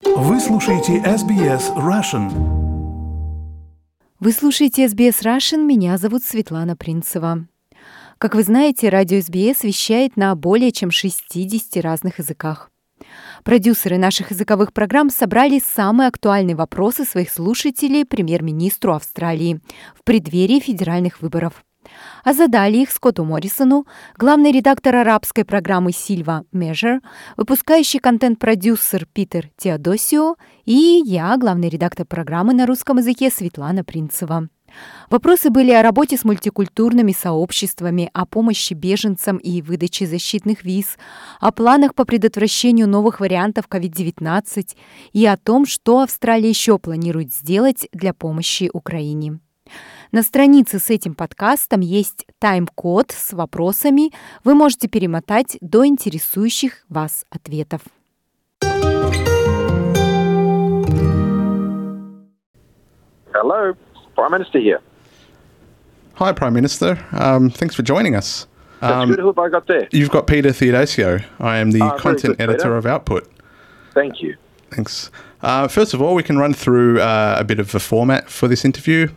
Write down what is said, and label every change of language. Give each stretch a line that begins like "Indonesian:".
Russian: Вы слушаете SBS Russian. Вы слушаете SBS Russian. Меня зовут Светлана Принцева. Как вы знаете, радио SBS вещает на более чем 60 разных языках. Продюсеры наших языковых программ собрали самые актуальные вопросы своих слушателей премьер-министру Австралии в преддверии федеральных выборов. А задали их Скотту Моррисону, главный редактор арабской программы «Silva Measure», выпускающий контент-продюсер Питер Теодосио и я, главный редактор программы на русском языке Светлана Принцева. Вопросы были о работе с мультикультурными сообществами, о помощи беженцам и выдаче защитных виз, о планах по предотвращению новых вариантов COVID-19 и о том, что Австралия еще планирует сделать для помощи Украине. На странице с этим подкастом есть тайм-код с вопросами. Вы можете перемотать до интересующих вас ответов.
English: Hello, Prime Minister here. Hi, Prime Minister. Thanks for joining us. That's good. Who have I got there? You've got Peter Theodosio. I am the content editor of Output. Thank you. Thanks. First of all, we can run through a bit of a format for this interview.